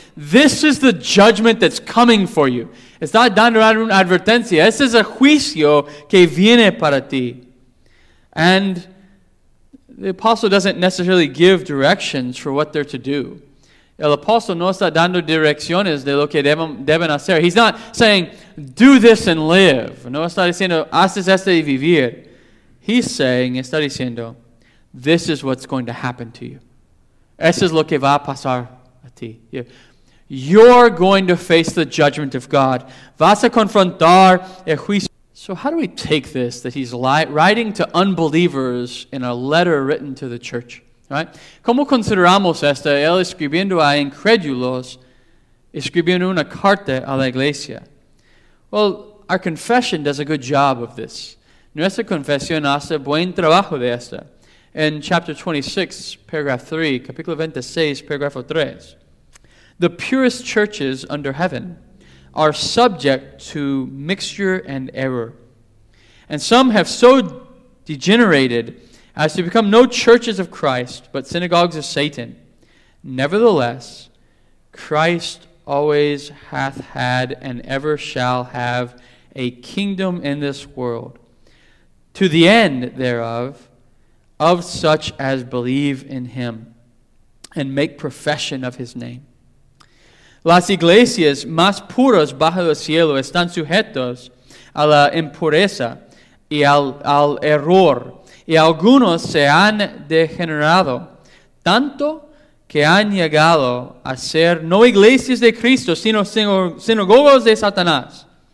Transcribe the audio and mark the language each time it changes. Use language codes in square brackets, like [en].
[en] This is the judgment that's coming for you. [es] Está dando una advertencia. Este es el juicio que viene para ti. [en] And the apostle doesn't necessarily give directions for what they're to do. [es] El apóstol no está dando direcciones de lo que deben hacer. [en] He's not saying, do this and live. [es] No está diciendo, haces esto y vivir. [en] He's saying, [es] está diciendo, [en] this is what's going to happen to you. [es] Eso es lo que va a pasar a ti. [en] You're going to face the judgment of God. [es] Vas a confrontar el juicio. [en] So how do we take this, that he's writing to unbelievers in a letter written to the church? [es] Right? ¿Cómo consideramos esto? Él escribiendo a incrédulos, escribiendo una carta a la iglesia. [en] Well, our confession does a good job of this. [es] Nuestra confesión hace buen trabajo de esto. [en] In chapter 26, paragraph 3, [es] capítulo 26, [en] paragraph 3. The purest churches under heaven are subject to mixture and error. And some have so degenerated as to become no churches of Christ, but synagogues of Satan. Nevertheless, Christ always hath had and ever shall have a kingdom in this world. To the end thereof, of such as believe in him and make profession of his name. [es] Las iglesias más puras bajo el cielo están sujetos a la impureza y al error. Y algunos se han degenerado tanto que han llegado a ser no iglesias de Cristo, sino sinagogos de Satanás.